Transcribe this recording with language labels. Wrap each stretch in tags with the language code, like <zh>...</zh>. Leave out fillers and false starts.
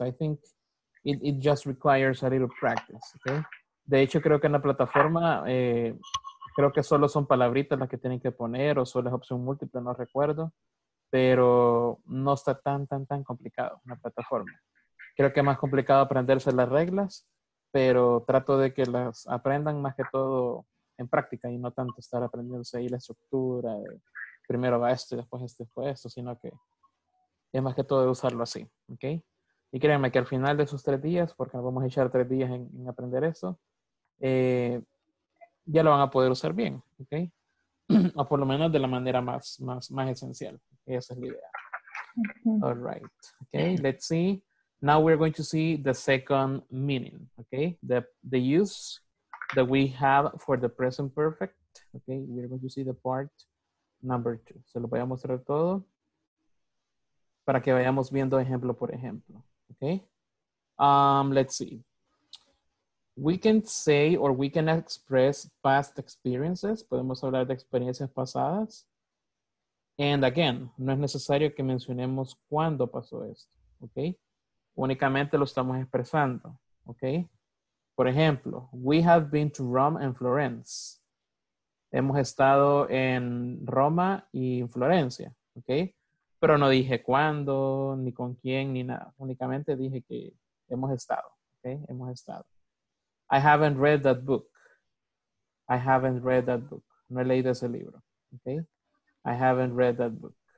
<en>I think it just requires a little practice, okay?</en> <es>De hecho, creo que en la plataforma, creo que solo son palabritas las que tienen que poner o solo es opción múltiple, no recuerdo. Pero no está tan complicado en la plataforma. Creo que es más complicado aprenderse las reglas, pero trato de que las aprendan más que todo en práctica y no tanto estar aprendiéndose ahí la estructura de primero va esto y después esto y después esto, sino que es más que todo de usarlo así, ¿ok? Y créanme que al final de esos 3 días, porque nos vamos a echar 3 días en aprender eso, ya lo van a poder usar bien, ¿ok? O por lo menos de la manera más esencial. Esa es la idea.</es> <en>Mm-hmm. All right. Okay, let's see. Now we're going to see the second meaning, okay? The use that we have for the present perfect. Okay, we're going to see the part number 2.</en> <es>Se lo voy a mostrar todo para que vayamos viendo ejemplo por ejemplo.</es> <en>Okay, let's see. We can say or we can express past experiences.</en> <es>Podemos hablar de experiencias pasadas.</es> <en>And again,</en> <es>no es necesario que mencionemos cuándo pasó esto. Okay, únicamente lo estamos expresando. Okay. Por ejemplo,</es> <en>we have been to Rome and Florence.</en> <es>Hemos estado en Roma y Florencia, ¿ok? Pero no dije cuándo, ni con quién, ni nada. Únicamente dije que hemos estado, ¿ok? Hemos estado.</es> <en>I haven't read that book. I haven't read that book.</en> <es>No he leído ese libro, ¿ok?</es> <en>I haven't read that book.</en>